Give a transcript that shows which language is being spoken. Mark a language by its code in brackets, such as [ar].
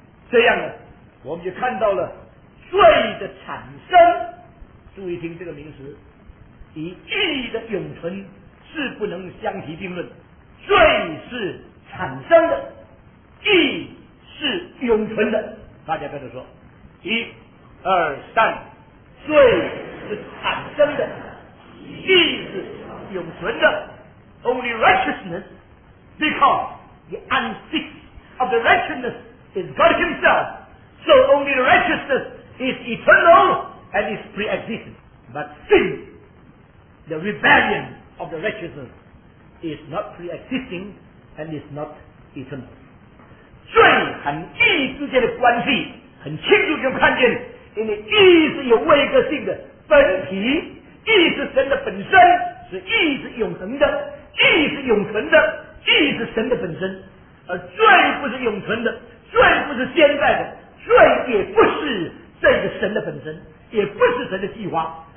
[zh] 这样呢，我们就看到了罪的产生，注意听这个名词，与义的永存是不能相提并论。罪是产生的，义是永存的。大家跟着说，一二三，罪是产生的，义是永存的。 [en] Only righteousness because the unseat of the righteousness is God himself, so only righteousness is eternal and is pre-existent. But sin, the rebellion of the righteousness is not pre-existing and is not eternal. [zh] 罪和义之间的关系很清楚，就看见因为义是有位格性的本体，义是神的本身，是义是永恒的，义是永存的，义是神的本身。而罪不是永存的，罪不是现在的，罪也不是这个神的本身，也不是神的计划。